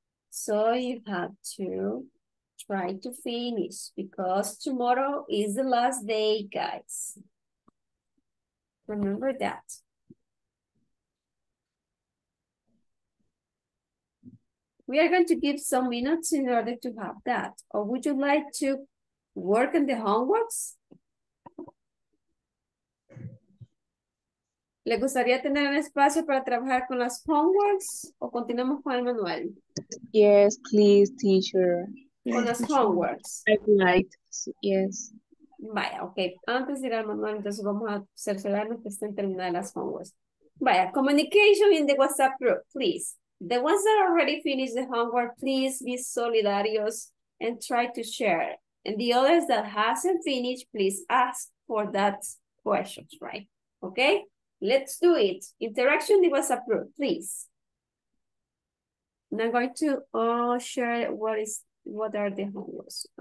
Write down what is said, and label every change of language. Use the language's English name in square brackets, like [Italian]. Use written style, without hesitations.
[English] So you have to try to finish because tomorrow is the last day, guys. Remember that. We are going to give some minutes in order to have that. Or would you like to work on the homeworks? [Spanish] ¿Le gustaría tener un espacio para trabajar con las homeworks o continuamos con el manual? [English] Yes, please, teacher. [Spanish] Con las homeworks. [English] I'd like to, yes. [Spanish] Vaya, ok. Antes de ir al manual, entonces vamos a cerciorarnos que estén terminadas las homeworks. [English] Vaya, communication in the WhatsApp group, please. The ones that already finished the homework, please be solidarios and try to share. And the others that hasn't finished, please ask for that questions, right? Okay? Let's do it. Interaction in WhatsApp group, please. And I'm going to share what are the homeworks.